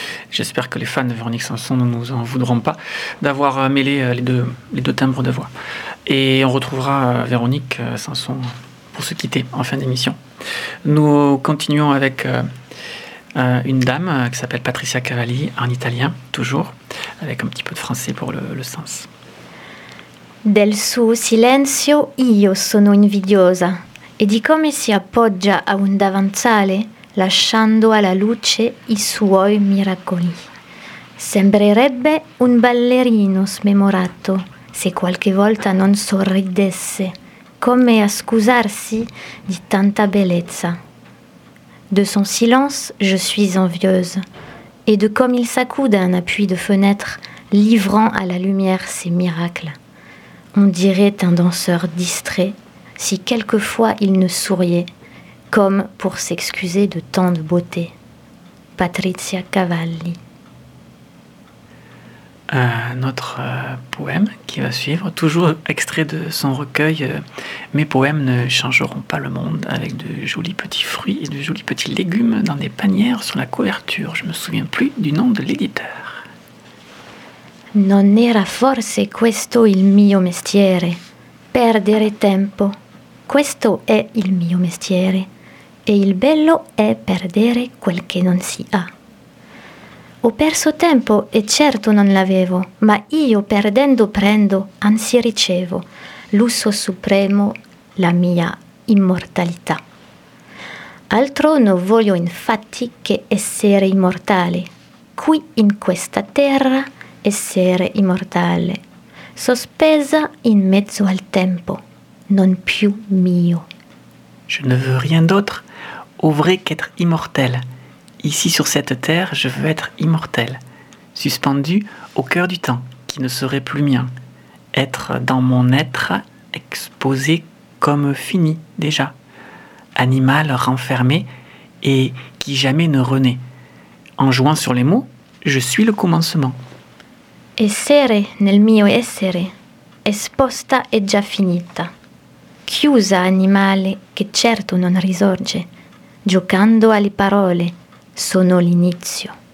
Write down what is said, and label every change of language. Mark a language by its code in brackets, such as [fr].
[fr] J'espère que les fans de Véronique Sanson ne nous en voudront pas d'avoir mêlé les deux timbres de voix. Et on retrouvera Véronique Sanson pour se quitter en fin d'émission. Nous continuons avec une dame qui s'appelle Patricia Cavalli, en italien, toujours, avec un petit peu de français pour le sens. [it] Del suo silenzio io sono invidiosa e di come si appoggia a un davanzale lasciando alla luce i suoi miracoli. Sembrerebbe un ballerino smemorato se qualche volta non sorridesse, come a scusarsi di tanta bellezza. [fr] De son silence je suis envieuse et de comme il s'accoude à un appui de fenêtre livrant à la lumière ses miracles. On dirait un danseur distrait si quelquefois il ne souriait, comme pour s'excuser de tant de beauté. Patricia Cavalli. Un autre poème qui va suivre, toujours extrait de son recueil « Mes poèmes ne changeront pas le monde » avec de jolis petits fruits et de jolis petits légumes dans des panières sur la couverture. Je ne me souviens plus du nom de l'éditeur. [it] Non era forse questo il mio mestiere, perdere tempo. Questo è il mio mestiere, e il bello è perdere quel che non si ha. Ho perso tempo e certo non l'avevo, ma io perdendo prendo, anzi ricevo, l'uso supremo, la mia immortalità. Altro non voglio infatti che essere immortale, qui in questa terra, essere immortale, sospesa in mezzo al tempo, non più mio. [fr] Je ne veux rien d'autre, au vrai, qu'être immortel. Ici, sur cette terre, je veux être immortel, suspendu au cœur du temps, qui ne serait plus mien. Être dans mon être, exposé comme fini déjà. Animal renfermé et qui jamais ne renaît. En jouant sur les mots, je suis le commencement. [it] Essere nel mio essere, esposta e già finita, chiusa animale che certo non risorge, giocando alle parole, sono l'inizio.